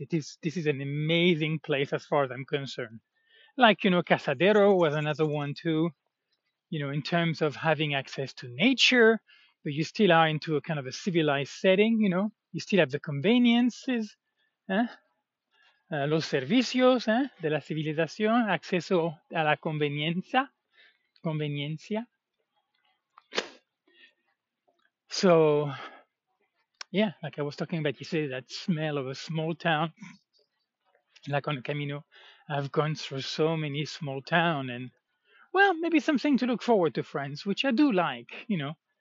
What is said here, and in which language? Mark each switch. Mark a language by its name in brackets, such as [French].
[English] This is an amazing place as far as I'm concerned. Like, you know, Casadero was another one too, you know, in terms of having access to nature, but you still are into a kind of a civilized setting, you know, you still have the conveniences, eh? [Spanish] Los servicios, eh? De la civilización, acceso a la conveniencia. [English] So, yeah, like I was talking about, you say that smell of a small town, like on the Camino. I've gone through so many small towns, and well, maybe something to look forward to, friends, which I do like, you know.